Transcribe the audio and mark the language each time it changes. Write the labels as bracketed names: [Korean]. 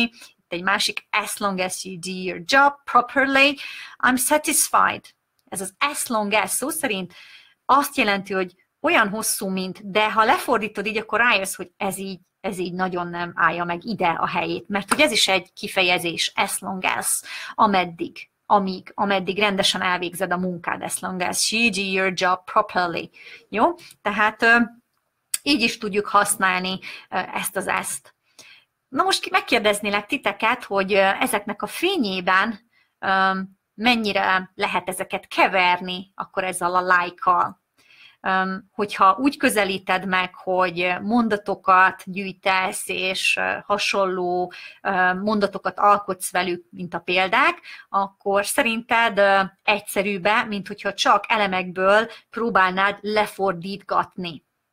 [Hungarian] Itt egy másik, [English] as long as you do your job properly, I'm satisfied. [Hungarian] Ez az [English] as long as [Hungarian] szó szerint azt jelenti, hogy olyan hosszú, mint, de ha lefordítod így, akkor rájössz, hogy ez így nagyon nem állja meg ide a helyét, mert ugye ez is egy kifejezés, as long as, ameddig. Ameddig rendesen elvégzed a munkád, [English] as long as you do your job properly. [Hungarian] Jó? Tehát így is tudjuk használni ezt az ezt. Na most megkérdeznélek titeket, hogy ezeknek a fényében mennyire lehet ezeket keverni akkor ezzel a like-kal. Hogyha úgy közelíted meg, hogy mondatokat gyűjtesz, és hasonló mondatokat alkotsz velük, mint a példák, akkor szerinted egyszerűbb-e, mint hogyha csak elemekből próbálnád lefordítgatni?